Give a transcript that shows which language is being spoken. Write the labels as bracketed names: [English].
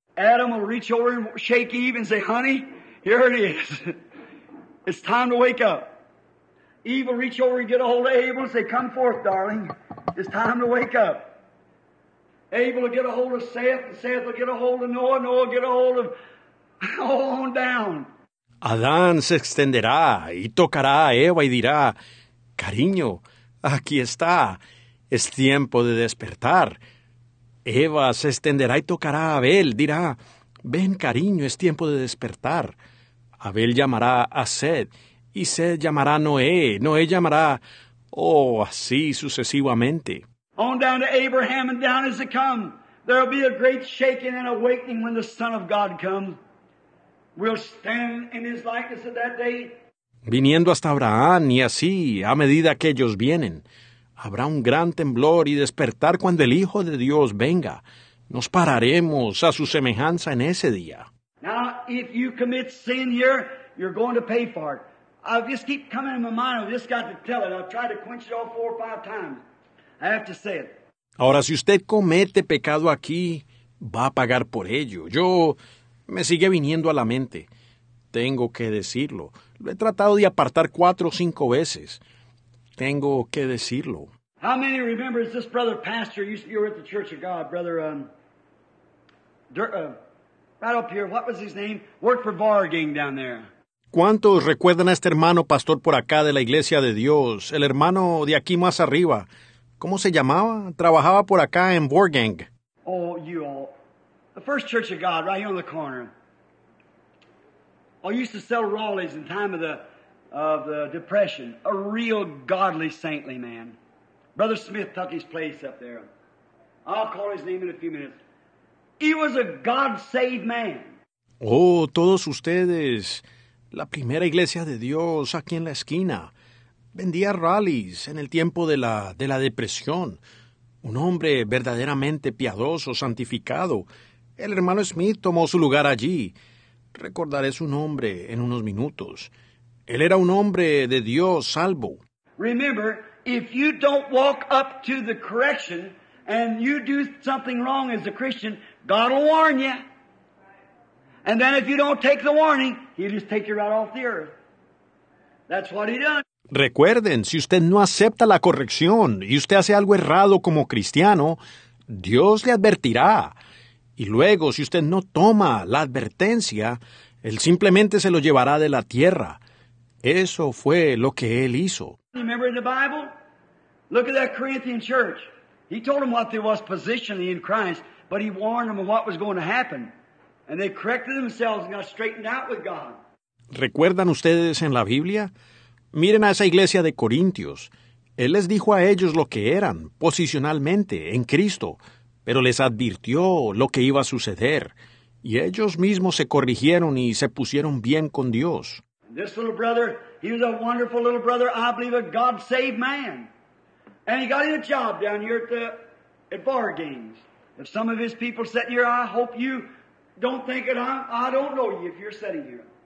[English] Adam will reach over and shake Eve and say, "Honey, here it is. It's time to wake up." Eve will reach over and get a hold of Abel and say, "Come forth, darling. It's time to wake up." Abel will get a hold of Seth, and Seth will get a hold of Noah, Noah will get a hold of all on down. [Spanish] Adán se extenderá y tocará a Eva y dirá, "Cariño, aquí está. Es tiempo de despertar." Eva se extenderá y tocará a Abel. Dirá, "Ven, cariño, es tiempo de despertar." Abel llamará a Seth y Seth llamará a Noé. Noé llamará, oh, así sucesivamente. [English] On down to Abraham and down as it comes. There will be a great shaking and awakening when the Son of God comes. We'll stand in his likeness of that day. [Spanish] Viniendo hasta Abraham y así, a medida que ellos vienen, habrá un gran temblor y despertar cuando el Hijo de Dios venga. Nos pararemos a su semejanza en ese día. [English] Now, if you commit sin here, you're going to pay for it. I just keep coming in my mind, I've just got to tell it. I've tried to quench it all 4 or 5 times. I have to say it. [Spanish] Ahora, si usted comete pecado aquí, va a pagar por ello. Yo... Me sigue viniendo a la mente. Tengo que decirlo. Lo he tratado de apartar 4 o 5 veces. Tengo que decirlo. [English] How many remembers this brother pastor? You were at the Church of God, brother. Right up here. What was his name? Worked for Bar Gang down there. [Spanish] ¿Cuántos recuerdan a este hermano pastor por acá de la Iglesia de Dios? El hermano de aquí más arriba. ¿Cómo se llamaba? Trabajaba por acá en Bar Gang. [English] Oh, you all. The First Church of God, right here on the corner. Oh, used to sell Raleigh's in time of the Depression. A real godly, saintly man. Brother Smith took his place up there. I'll call his name in a few minutes. He was a God-saved man. [Spanish] Oh, todos ustedes. La primera iglesia de Dios aquí en la esquina. Vendía Raleigh's en el tiempo de la Depresión. Un hombre verdaderamente piadoso, santificado. El hermano Smith tomó su lugar allí. Recordaré su nombre en unos minutos. Él era un hombre de Dios salvo. [English] Remember, if you don't walk up to the correction and you do something wrong as a Christian, God will warn you. And then if you don't take the warning, he'll just take you right off the earth. That's what he done. [Spanish] Recuerden, si usted no acepta la corrección y usted hace algo errado como cristiano, Dios le advertirá. Y luego, si usted no toma la advertencia, él simplemente se lo llevará de la tierra. Eso fue lo que él hizo. [English] Remember in the Bible? Look at that Corinthian church. He told them what they was positionally in Christ, but he warned them of what was going to happen. And they corrected themselves and got straightened out with God. [Spanish] ¿Recuerdan ustedes en la Biblia? Miren a esa iglesia de Corintios. Él les dijo a ellos lo que eran, posicionalmente, en Cristo, pero les advirtió lo que iba a suceder. Y ellos mismos se corrigieron y se pusieron bien con Dios. [English] This little brother, he was a wonderful little brother, I believe a God-saved man. And he got a job down here at Bar Games. If some of his people sit here, I hope you don't think it. I don't know you if you're sitting here.